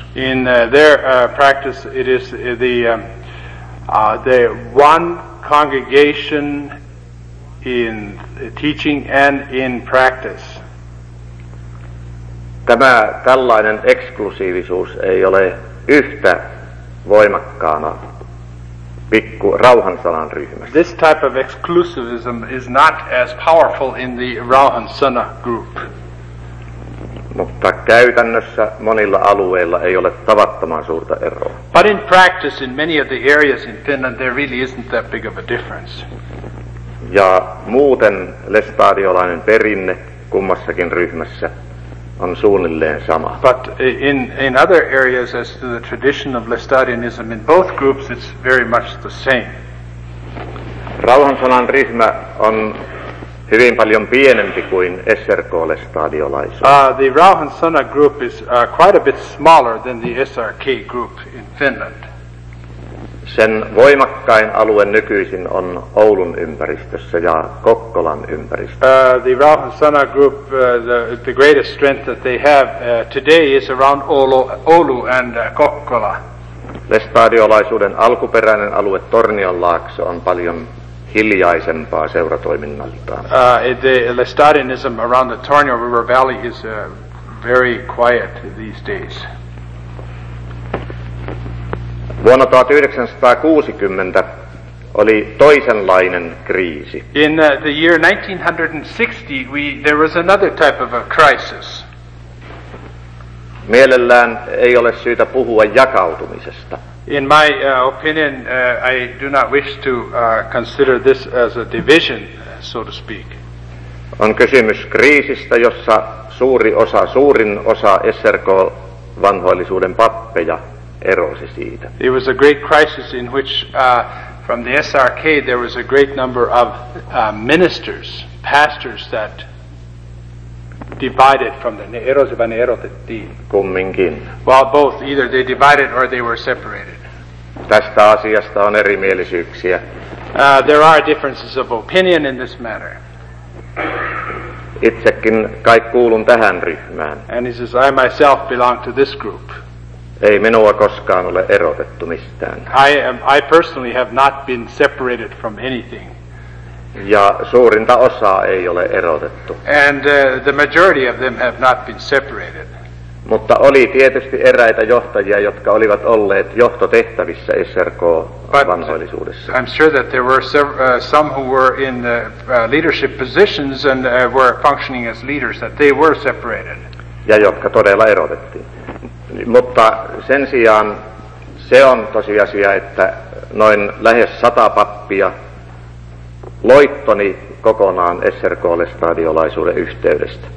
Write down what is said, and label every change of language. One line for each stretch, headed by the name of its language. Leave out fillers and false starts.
English: In their practice it is the one congregation in teaching and in practice.
Finnish: Tämä tällainen eksklusiivisuus ei ole yhtä voimakkaana pikku Rauhan sanan ryhmässä.
English: This type of exclusivism is not as powerful in the Rauhan Sana group.
Finnish: Mutta käytännössä monilla alueilla ei ole tavattoman suurta eroa.
English: But in practice, in many of the areas in Finland, there really isn't that big of a difference.
Finnish: Ja muuten lestadiolainen perinne kummassakin ryhmässä on suunnilleen sama.
English: But in other areas, as to the tradition of lestadianism in both groups, it's very much the same.
Finnish: Rauhan sanan ryhmä on hyvin paljon pienempi kuin SRK-lestadiolaisuus.
English: The Rauhan Sana group is quite a bit smaller than the SRK group in Finland.
Finnish: Sen voimakkain alue nykyisin on Oulun ympäristössä ja Kokkolan ympäristössä.
English: The Rauhan Sana group, the greatest strength that they have today is around Oulu and Kokkola.
Finnish: Lestadiolaisuuden alkuperäinen alue Tornionlaakso on paljon hiljaisempaa seuratoiminnaltaan.
English: The Lestadianism around the Tornio River Valley is very quiet these days.
Finnish: Vuonna 1960 oli toisenlainen kriisi.
English: In the year 1960 there was another type of a crisis.
Finnish: Mielellään ei ole syytä puhua jakautumisesta.
English: In my opinion, I do not wish to consider this as a division, so to speak.
Finnish: On kysymys kriisistä, jossa suurin osa SRK-vanhoillisuuden pappeja erosi siitä.
English: It was a great crisis in which from the SRK there was a great number of ministers, pastors that divided from them.
Finnish: Ne erosivat, ne erotettiin. Kumminkin.
English: Well, both, either they divided or they were separated.
Finnish: Tästä asiasta on erimielisyyksiä.
English: There are differences of opinion in this matter.
Finnish: Itsekin kai kuulun tähän ryhmään.
English: And he says, I myself belong to this group.
Finnish: Ei minua koskaan ole erotettu mistään.
English: I personally have not been separated from anything.
Finnish: Ja suurinta osaa ei ole erotettu.
English: And the majority of them have not been separated.
Finnish: Mutta oli tietysti eräitä johtajia, jotka olivat olleet johtotehtävissä SRK-vanhoillisuudessa.
English: I'm sure that there were some who were in the leadership positions and were functioning as leaders, that they were separated.
Finnish: Ja jotka todella erotettiin. Mutta sen sijaan se on tosiasia, että noin lähes 100 pappia loittoni kokonaan SRK-lestadiolaisuuden yhteydestä.